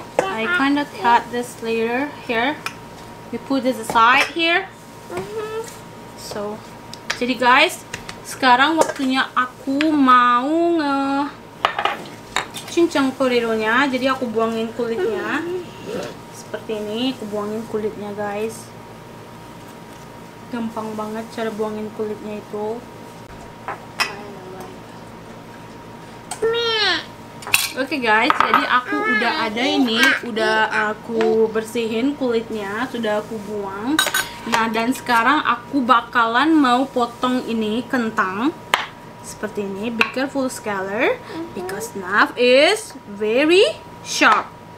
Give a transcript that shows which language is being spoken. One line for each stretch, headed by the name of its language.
English: I kind of cut this later here. We put this aside here. Mm-hmm.
Indonesian: So, jadi guys, sekarang waktunya aku mau nge cincang potato-nya. Jadi aku buangin kulitnya. Mm-hmm. Seperti ini, aku buangin kulitnya, guys. Gampang banget cara buangin kulitnya itu. Okay guys, jadi aku udah ada ini, udah aku bersihin kulitnya, sudah aku buang. Nah, dan sekarang aku bakalan mau potong ini kentang. Seperti ini,
English: be careful Skylar, because knife is very sharp.